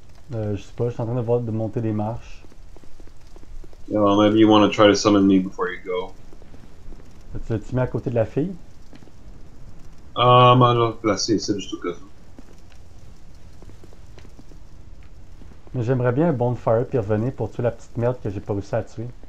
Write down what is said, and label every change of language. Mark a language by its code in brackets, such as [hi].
[fr] Je sais pas, je suis en train de voir de monter des marches. [en] Yeah, well, maybe you want to try to summon me before you go. [fr] Tu l'as-tu mis à côté de la fille? Ah, mais alors, placé, c'est juste au cas. Mais j'aimerais bien un bonfire puis revenir pour tuer la petite merde que j'ai pas réussi à tuer.